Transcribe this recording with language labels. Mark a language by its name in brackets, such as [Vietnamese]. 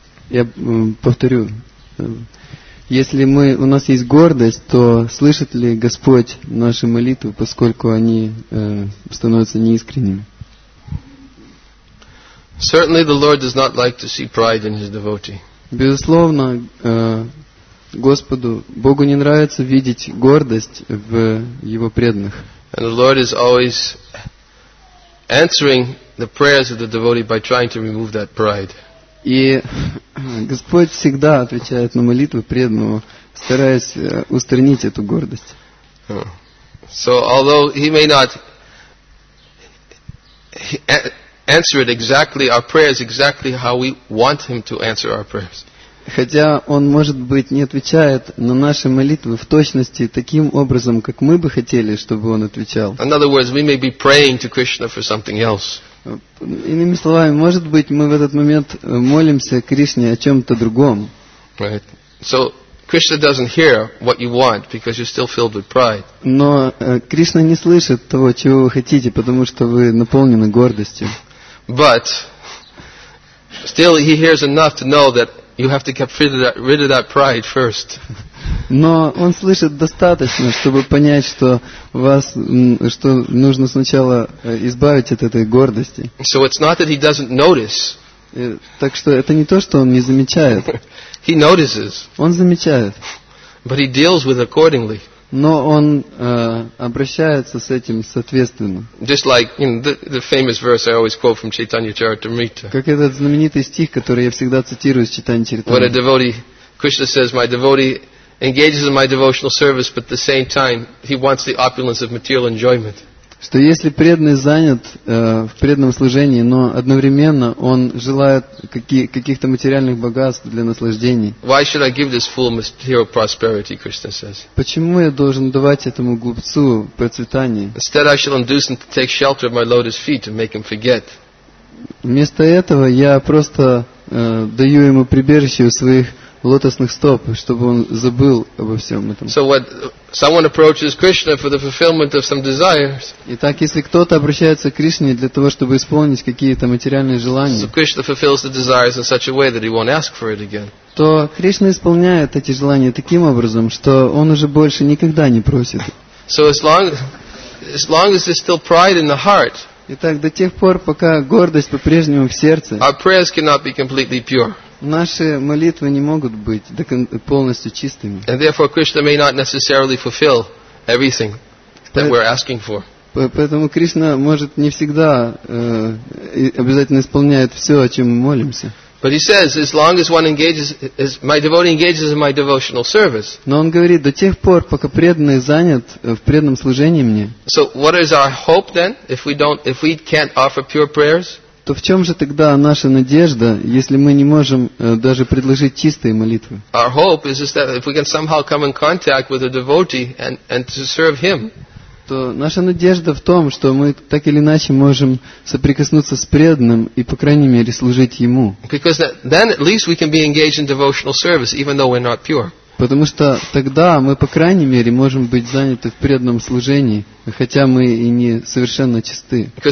[Russian] Я повторю, если мы у нас есть гордость, то слышит ли Господь наши молитвы, поскольку они становятся неискренними? [English] Certainly the Lord does not like to see pride in his devotee. [Russian] Безусловно, Господу Богу не нравится видеть гордость в его преданных. [English] And the Lord is always answering the prayers of the devotee by trying to remove that pride. [Russian] И Господь всегда отвечает на молитвы преданного, стараясь устранить эту гордость. [English] So although he may not answer it exactly, our prayers exactly how we want him to answer our prayers. [Russian] Хотя он, может быть, не отвечает на наши молитвы в точности таким образом, как мы бы хотели, чтобы он отвечал. [English] In other words, we may be praying to Krishna for something else. [Russian] Иными словами, может быть, мы в этот момент молимся Кришне о чем-то другом. [English] Right. So Krishna doesn't hear what you want because you're still filled with pride. [Russian] Но Кришна не слышит того, чего вы хотите, потому что вы наполнены гордостью. [English] But still he hears enough to know that you have to get rid of that pride first. [Russian] Но он слышит достаточно, чтобы понять, что вас, что нужно сначала избавить от этой гордости. [English] So it's not that he doesn't notice. [Russian] Так что это не то, что он не замечает. [English] He notices. [Russian] Он замечает. [English] But he deals with accordingly. [Russian] Но он обращается с этим соответственно. [English] Just like, you know, the famous verse I always quote from Chaitanya Charitamrita. [Russian] Как этот знаменитый стих, который я всегда цитирую из Чайтаньи Чаритамриты. [English] When a devotee, Krishna says, my devotee engages in my devotional service, but at the same time he wants the opulence of material enjoyment. [Russian] Что если преданный занят в преданном служении, но одновременно он желает каких-то материальных богатств для наслаждений. [English] Why should I give this fool material prosperity, Krishna says? [Russian] Почему я должен давать этому глупцу процветание? [English] Instead I shall induce him to take shelter of my lotus feet and make him forget. [Russian] Вместо этого я просто даю ему прибежище у своих лотосных стоп, чтобы он забыл обо всем этом. [English] So what, someone approaches Krishna for the fulfillment of some desires. [Russian] Итак, если кто-то обращается к Кришне для того, чтобы исполнить какие-то материальные желания, [English] so Krishna fulfills the desires in such a way that he won't ask for it again. [Russian] То Кришна исполняет эти желания таким образом, что он уже больше никогда не просит. [English] So as long as there's still pride in the heart. [Russian] Итак, до тех пор, пока гордость по-прежнему в сердце. [English] Our prayers cannot be completely pure. [Russian] Наши молитвы не могут быть полностью чистыми. [English] And therefore Krishna may not necessarily fulfill everything that we're asking for. [Russian] Поэтому Кришна может не всегда обязательно исполняет все, о чем мы молимся. [English] But he says, as long as one engages, as my devotee engages in my devotional service. [Russian] Но он говорит, до тех пор, пока преданный занят в преданном служении мне. [English] So what is our hope then, if we can't offer pure prayers? [Russian] То в чем же тогда наша надежда, если мы не можем даже предложить чистые молитвы? [English] Our hope is that if we can somehow come in contact with a devotee and to serve him. [Russian] что наша надежда в том, что мы так или иначе можем соприкоснуться с преданным и, по крайней мере, служить ему. [English] Because then at least we can be engaged in devotional service, even though we're not pure. [Russian] Потому что тогда мы, по крайней мере, можем быть заняты в преданном служении, хотя мы и не совершенно чисты.